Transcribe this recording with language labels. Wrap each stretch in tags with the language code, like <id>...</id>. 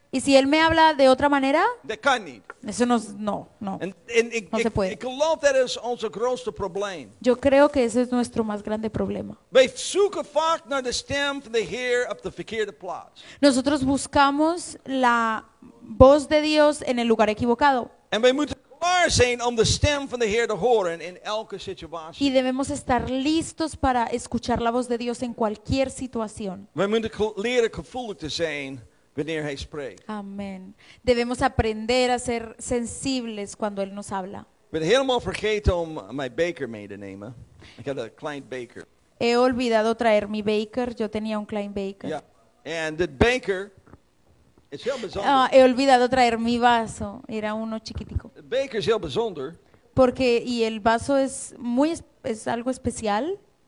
<es>Y si él me habla de otra manera,</es> <nl>dat kan niet.</nl> <es>Eso no, no, no. No se puede.</es> <nl>Ik geloof dat is onze grootste probleem.</nl> <es>Yo creo que ese es nuestro más grande problema.</es> <nl>We zoeken vaak naar de stem van de Heer op de verkeerde plaats.</nl> <es>Nosotros buscamos la voz de Dios en el lugar equivocado.</es> <nl>En we moeten klaar zijn om de stem van de Heer te horen in elke situatie.</nl> <es>Y debemos estar listos para escuchar la voz de Dios en cualquier situación.</es> <nl>We moeten leren gevoelig te zijn. Wanneer hij spreekt. Amen.</nl> <es>Debemos aprender a ser sensibles cuando él nos habla.</es> <nl>Ben helemaal vergeten om mijn beker mee te nemen. Ik had een klein beker.</nl> <es>He olvidado traer mi beker. Yo tenía un</es> <nl>klein beker. Ja. En dit beker is heel bijzonder.</nl> <es>He olvidado traer mi vaso. Era uno chiquitico.</es> <nl>De beker is heel bijzonder.</nl> <es>Porque y el vaso es muy es algo especial.</es>